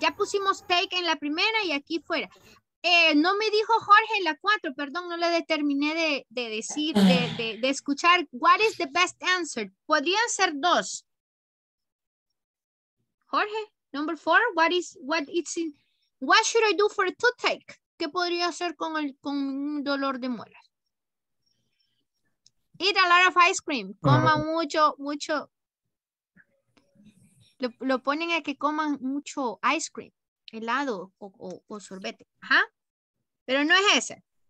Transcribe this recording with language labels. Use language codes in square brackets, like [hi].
[es] Ya pusimos take en la primera y aquí fuera. No me dijo Jorge la 4, perdón, no le determiné de decir, de escuchar. [en] What is the best answer? [es] Podrían ser dos. [en] Jorge, number 4, what should I do for a toothache? [es] ¿Qué podría hacer con un dolor de muelas? [en] Eat a lot of ice cream. [es] Coma mucho. Lo ponen a que coman mucho ice cream, helado o sorbete. Ajá. Pero no es ese.